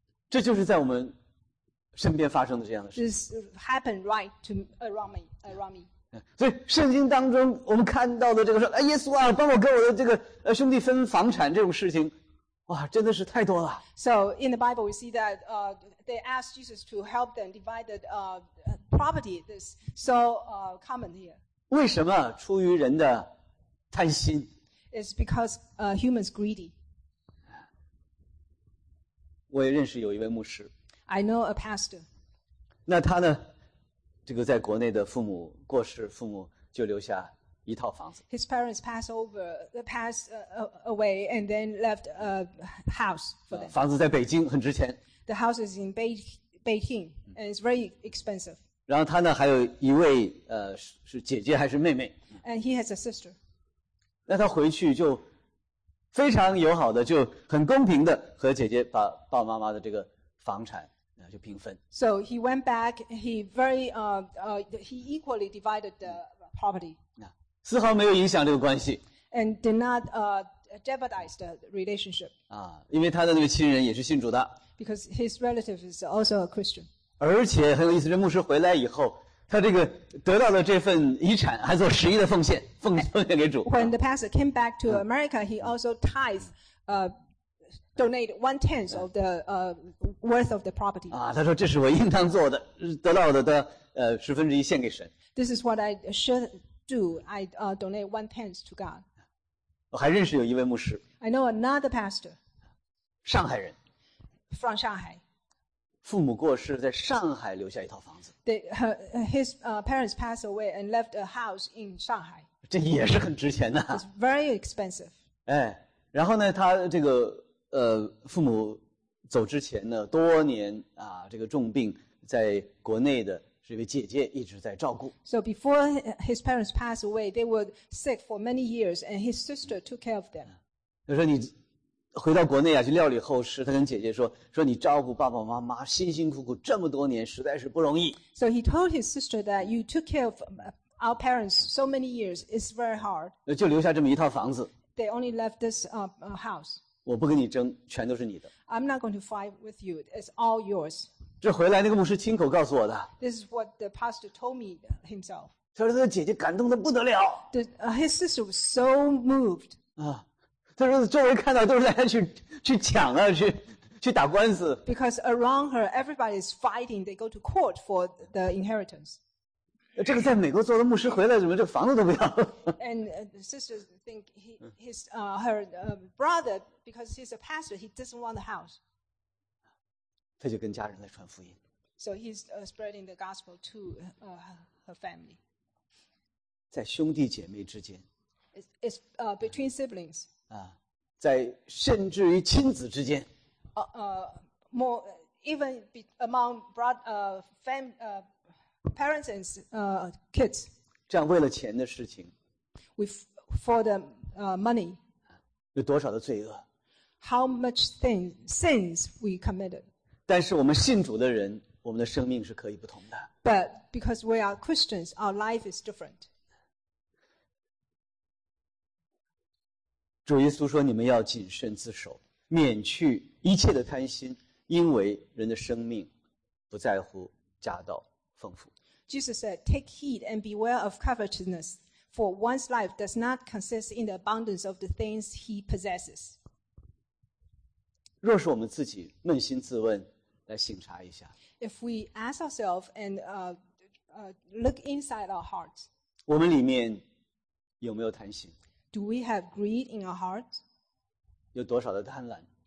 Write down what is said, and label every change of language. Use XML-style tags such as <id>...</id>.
<zh>这就是在我们身边发生的这样的事。</zh> <en>This happened right to around me.</en> <zh>所以圣经当中我们看到的这个说耶稣啊帮我跟我的这个兄弟分房产这种事情哇真的是太多了。</zh> <en>So in the Bible we see that they asked Jesus to help them divide the property that's so common here.</en> <zh>为什么出于人的贪心</zh> <en>It's because humans greedy.</en> <zh>我也认识有一位牧师。</zh> <en>I know a pastor.</en> <zh>那他呢？这个在国内的父母过世，父母就留下一套房子。</zh> <en>His parents passed over, passed away, and then left a house for them.</en> <zh>房子在北京，很值钱。</zh> <en>The house is in Beijing, and it's very expensive.</en> <zh>然后他呢，还有一位是姐姐还是妹妹</zh> <en>？And he has a sister.</en> <zh>那他回去就。非常友好的，就很公平的和姐姐把爸爸妈妈的这个房产就平分。</zh> <en>So he went back. He very he equally divided the property.</en> <zh>丝毫没有影响这个关系。</zh> <en>And did not jeopardize the relationship.</en> <zh>啊，因为他的那个亲人也是信主的。</zh> <en>Because his relative is also a Christian.</en> <zh>而且很有意思，这牧师回来以后。他这个得到了这份遗产，还做十一的奉献，奉献给主。</zh> <en>When the pastor came back to America, he also tithes, donated 1/10 of the worth of the property.</en> <zh>啊，他说这是我应当做的，得到的十分之一献给神。</zh> <en>This is what I should do. I donate 1/10 to God.</en> <zh>我还认识有一位牧师。</zh> <en>I know another pastor.</en> <zh>上海人。</zh> <en>From 上海。</en> <zh>父母过世，在上海留下一套房子。</zh> <en>His parents passed away and left a house in Shanghai.</en> <zh>这也是很值钱的。</zh> <en>It's very expensive.</en> <zh>哎，然后呢，他这个父母走之前呢，多年啊，这个重病，在国内的这位姐姐一直在照顾。</zh> <en>So before his parents passed away, they were sick for many years, and his sister took care of them.</en> <zh>他说你。回到国内啊，去料理后事。他跟姐姐说你照顾爸爸妈妈辛辛苦苦这么多年，实在是不容易。</zh> <en>So he told his sister that you took care of our parents so many years. It's very hard.</en> <zh>就留下这么一套房子。</zh> <en>They only left this house.</en> <zh>我不跟你争，全都是你的。</zh> <en>I'm not going to fight with you. It's all yours.</en> <zh>这回来那个牧师亲口告诉我的。</zh> <en>This is what the pastor told me himself.</en> <zh>他说他的姐姐感动得不得了。</zh> <en>His sister was so moved. 啊。</en> <zh>他说：“周围看到都是在去抢啊，去打官司。”</zh> <en>Because around her, everybody is fighting. They go to court for the inheritance.</en> <zh>这个在美国做的牧师回来，怎么这房子都不要？</zh> <en>And the sisters think her brother, because he's a pastor, he doesn't want the house.</en> <zh>他就跟家人来传福音。</zh> <en>So he's spreading the gospel to her family.</en> <zh>在兄弟姐妹之间。</zh> <en>It's between siblings.</en> <zh>啊，在甚至于亲子之间。</zh> <en>More even among brother, parents and kids.</en> <zh>这样为了钱的事情。</zh> <en>For the money.</en> <zh>有多少的罪恶</zh> <en>？How much sins we committed?</en> <zh>但是我们信主的人，我们的生命是可以不同的。</zh> <en>But because we are Christians, our life is different.</en> <zh>主耶稣说：“你们要谨慎自守，免去一切的贪心，因为人的生命不在乎家道丰富。”</zh> <en>Jesus said, "Take heed and beware of covetousness, for one's life does not consist in the abundance of the things he possesses."</en> <zh>若是我们自己扪心自问，来省察一下</zh> <en>，If we ask ourselves and look inside our hearts,</en> <zh>我们里面有没有贪心？</zh> <en>Do we have greed in our hearts?</en> <zh>有多少的贪婪</zh>